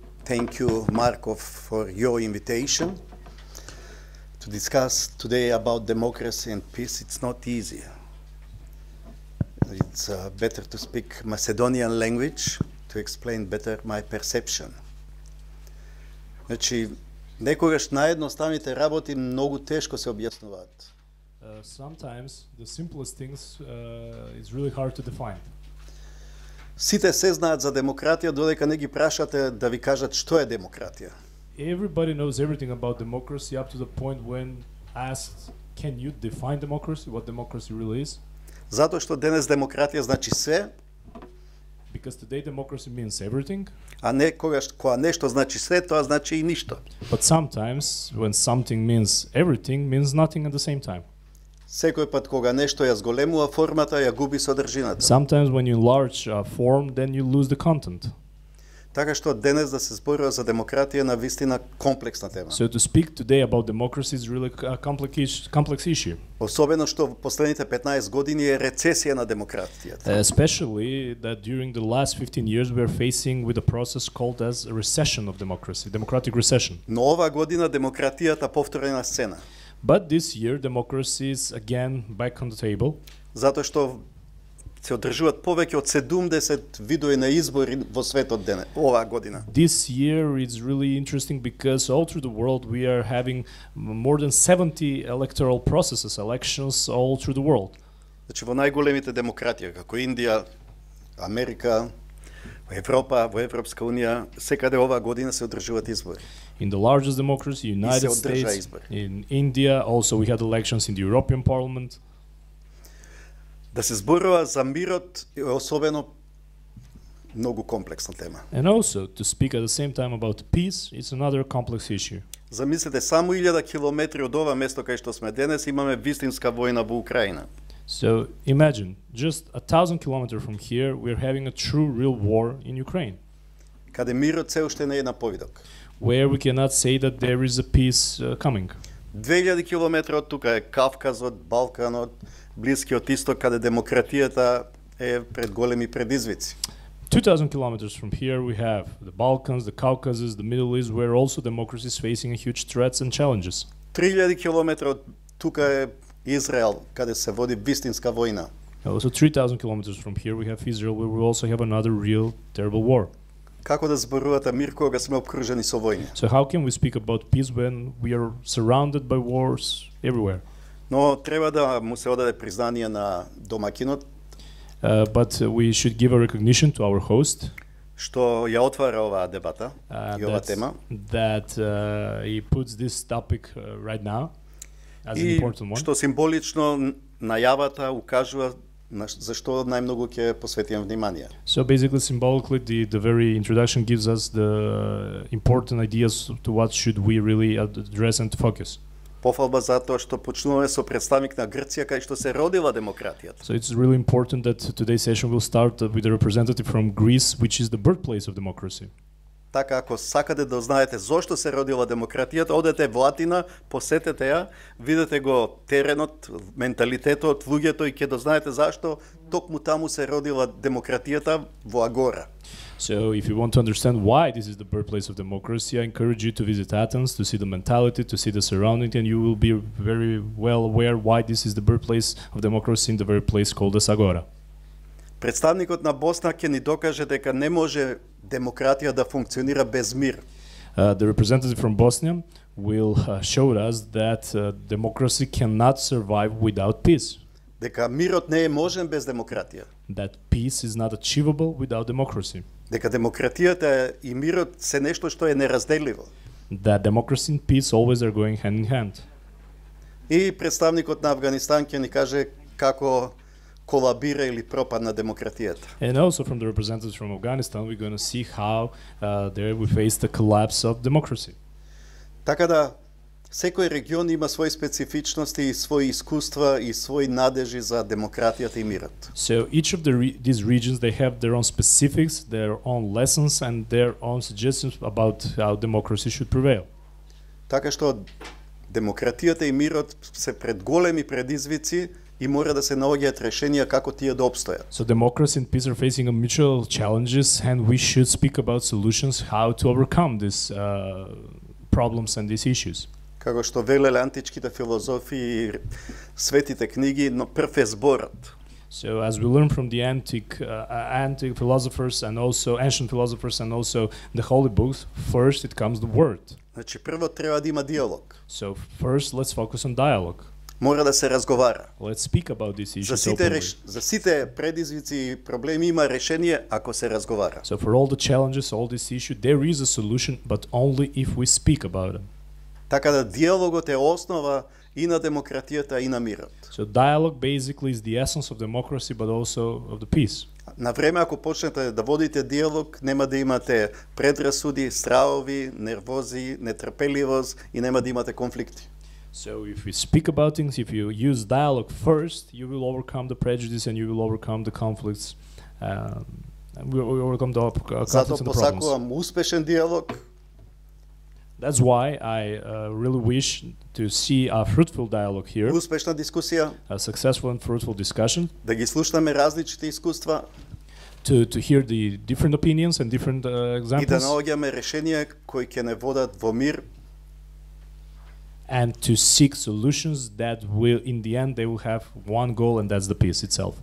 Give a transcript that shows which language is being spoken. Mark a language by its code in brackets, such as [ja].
[en] Thank you, Markov, for your invitation to discuss today about democracy and peace. It's not easy. It's better to speak Macedonian language to explain better my perception. [mk] Значи, некогаш наједноставните работи многу тешко се објаснуваат. [en] Sometimes the simplest things is really hard to define. [mk] Сите се знаат за демократија додека не ги прашате да ви кажат што е демократија. [en] Everybody knows everything about democracy up to the point when asked, can you define democracy, what democracy really is? [mk] Затоа што денес демократија значи све. [en] Because today democracy means everything. [mk] А не когаш кога нешто значи све, тоа значи и ништо. [en] But sometimes when something means everything means nothing at the same time. [mk] Секој пат кога нешто ја зголемува формата, ја губи содржината. [en] Sometimes when you enlarge a form, then you lose the content. [mk] Така што денес да се зборува за демократија на вистина комплексна тема. [en] So to speak today about democracy is really a complex issue. [mk] Особено што во последните 15 години е рецесија на демократијата. [en] Especially that during the last 15 years we are facing with a process called as a recession of democracy, democratic recession. [mk] Но оваа година демократијата повторена на сцена. [en] But this year democracy is again back on the table. [mk] Затоа што се одржуваат повеќе од 70 видови на избори во светот денес оваа година. [en] This year is really interesting because all through the world we are having more than 70 electoral processes, elections all through the world. [mk] Значи во најголемите демократии како Индија, Америка, Европа, во Европска унија, секаде оваа година се одржуваат избори. [en] In the largest democracy, United States, in India, also we had elections in the European Parliament. [mk] Да се зборува за мирот е особено многу комплексна тема. [en] And also, to speak at the same time about peace, it's another complex issue. [mk] Замислете, само 1000 километри од ова место кај што сме денес, имаме вистинска војна во Украина. [en] So, imagine, just 1000 километри from here, we're having a true, real war in Ukraine. [mk] Каде мирот се уште не е на повидок. [en] Where we cannot say that there is a peace coming. [mk] 2000 километри од тука е Кавказот, Балканот, Блискиот исток каде демократијата е пред големи предизвици. [en] 2000 kilometers from here we have the Balkans, the Caucasus, the Middle East where also democracy is facing a huge threats and challenges. [mk] 3000 километри од тука е Израел каде се води вистинска војна. [en] Also 3000 kilometers from here we have Israel where we also have another real terrible war. [mk] Како да зборувате мир кога сме обкружени со војни? [en] So how can we speak about peace when we are surrounded by wars everywhere? [mk] Но треба да му се одаде признание на домакинот. [en] But we should give a recognition to our host. [mk] Што ја отвара оваа дебата и оваа тема. [en] That he puts this topic right now as an important one. [mk] Што символично најавата укажува за што најмногу ќе посветиме внимание. [en] So basically symbolically the very introduction gives us the important ideas to what should we really address and focus. [mk] Пофалба за тоа што почнуваме со представник на Грција кај што се родила демократијата. [en] So it's really important that today's session will start with a representative from Greece which is the birthplace of democracy. [mk] Така ако сакате да знаете зошто се родила демократијата, одете во Атина, посетете ја, видете го теренот, менталитетот, луѓето и ќе дознаете зашто токму таму се родила демократијата во Агора. [en] So if you want to understand why this is the birthplace of democracy, I encourage you to visit Athens, to see the mentality, to see the surrounding, and you will be very well aware why this is the birthplace of democracy in the very place called as Agora. [mk] Представникот на Босна ќе ни докаже дека не може демократија да функционира без мир. [en] The representative from Bosnia will show us that democracy cannot survive without peace. [mk] Дека мирот не е можен без демократија. [en] That peace is not achievable without democracy. [mk] Дека демократијата и мирот се нешто што е неразделиво. [en] That democracy and peace always are going hand in hand. [mk] И представникот на Афганистан ќе ни каже како колабира или пропадна демократијата. [en] And also from the representatives from Afghanistan, we're going to see how there we face the collapse of democracy. [mk] Така да, секој регион има своји специфичности и своји искуства и своји надежи за демократијата и мирот. [en] So each of these regions, they have their own specifics, their own lessons and their own suggestions about how democracy should prevail. [mk] Така што демократијата и мирот се пред големи предизвици и мора да се наоѓаат решенија како тие да обстојат. [en] So democracy and peace are facing a mutual challenges and we should speak about solutions how to overcome these problems and these issues. [mk] Како што велеле античките филозофи и светите книги, но прв е зборот. [en] So as we learn from the antique philosophers and also ancient philosophers and also the holy books, first it comes the word. [mk] Значи прво треба да има диалог. [en] So first let's focus on dialogue. [mk] Мора да се разговара. [en] Let's speak about this issue. [mk] За сите предизвици и проблеми има решение ако се разговара. [en] So for all the challenges, all this issue, there is a solution, but only if we speak about them. [mk] Така да диалогот е основа и на демократијата и на мирот. [en] So dialogue basically is the essence of democracy but also of the peace. [mk] На време ако почнете да водите диалог, нема да имате предрасуди, стравови, нервози, нетрпеливост и нема да имате конфликти. [en] So if you speak about things, if you use dialogue first, you will overcome the prejudice and you will overcome the conflicts. [mk] Затоа посакувам успешен диалог. [en] That's why I really wish to see a fruitful dialogue here. [mk] Успешна дискусија. [en] A successful and fruitful discussion. [mk] Да ги слушаме различните искуства. [en] To hear the different opinions and different examples. [mk] И да наоѓаме решенија кои ќе не водат во мир. [en] And to seek solutions that will, in the end, they will have one goal, and that's the peace itself.